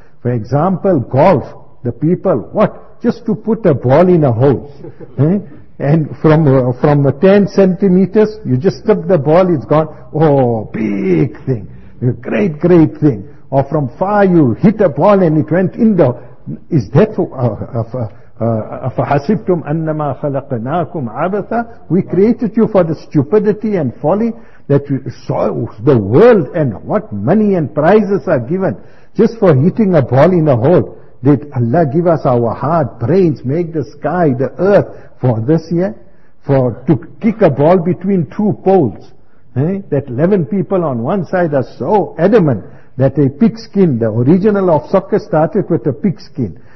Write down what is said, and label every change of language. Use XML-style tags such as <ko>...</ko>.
<en>For example, golf. The people, what? Just to put a ball in a hole. And from 10 centimeters, you just tip the ball, it's gone. Oh, big thing. A great, great thing. Or from far, you hit a ball and it went in the... Is that</en> <ar>فَحَسِبْتُمْ أَنَّمَا خَلَقْنَاكُمْ عَبَثًا.</ar> <en>We created you for the stupidity and folly that you saw the world and what money and prizes are given just for hitting a ball in a hole. Did Allah give us our heart, brains, make the sky, the earth for this year? For to kick a ball between two poles. That 11 people on one side are so adamant that a pigskin, the original of soccer started with a pigskin.</en>